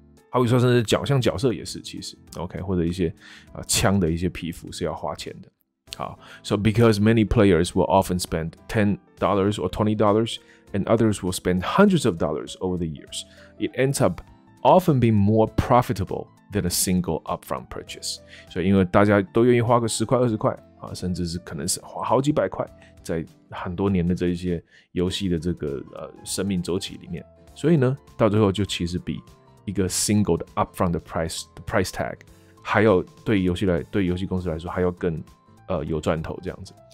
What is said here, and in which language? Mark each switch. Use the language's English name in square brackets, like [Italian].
[Chinese] 好比说甚至角像角色也是其实 OK 或者一些、枪的一些皮肤是要花钱的。 [English] 好 So because many players will often spend $10 or $20 and others will spend hundreds of dollars over the years, it ends up often being more profitable than a single upfront purchase. [Chinese] 所以因为大家都愿意花个10块20块、甚至是可能是花好几百块在很多年的这些游戏的这个、生命周期里面。所以呢到最后就其实比一个 single 的 upfront 的 price 的 price tag， 还要对游戏来对游戏公司来说还要更、有赚头这样子。